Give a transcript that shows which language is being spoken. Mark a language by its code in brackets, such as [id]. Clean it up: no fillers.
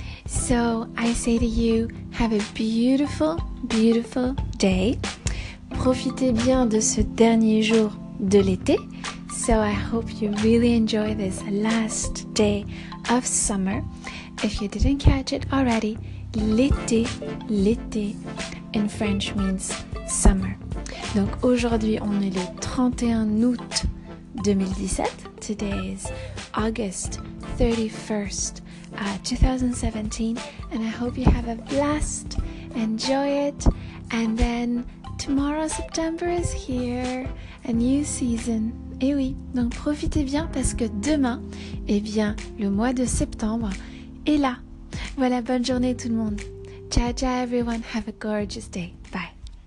[en] So I say to you, have a beautiful, beautiful day. [fr] Profitez bien de ce dernier jour de l'été. [en] So I hope you really enjoy this last day of summer. If you didn't catch it already, l'été in French means summer. [fr] Donc aujourd'hui, on est le 31 août 2017. [en] Today is August 31st. 2017, and I hope you have a blast, enjoy it, and then tomorrow September is here, a new season. [fr] Et oui, donc profitez bien parce que demain, eh bien, le mois de septembre est là. Voilà, bonne journée tout le monde. [en] Ciao, ciao everyone, have a gorgeous day. Bye.